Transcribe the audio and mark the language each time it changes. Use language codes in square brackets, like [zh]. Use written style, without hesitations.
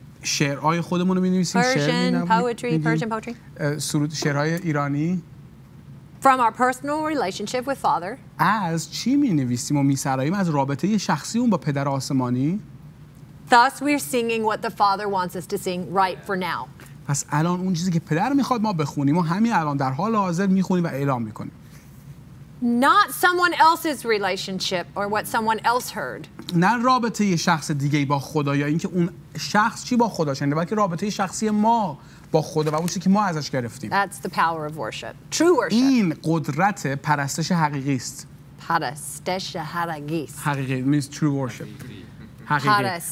[fa] شعرهای خودمون رو مینویسیم. [en] Persian poetry. Persian poetry. [fa] سرود شعرهای ایرانی. [en] From our personal relationship with Father. [fa] از چی می نویسیم و می سراییم از رابطه شخصی اون با پدر آسمانی؟ [en] Thus we're singing what the Father wants us to sing right for now. [fa] پس الان اون چیزی که پدر می خواد ما بخونیم و همین الان در حال حاضر می خونیم و اعلام می کنیم. [en] Not someone else's relationship or what someone else heard. [fa] نه رابطه شخص دیگه با خدا یا اینکه اون شخص چی با خدا شنیده بلکه رابطه شخصی ما با خدا و اون چیزی که ما ازش گرفتیم. [en] That's the power of worship. True worship. [fa] این قدرت پرستش حقیقی است. پرستش حقیقی است. [en] حقیقی means true worship. حقیقی.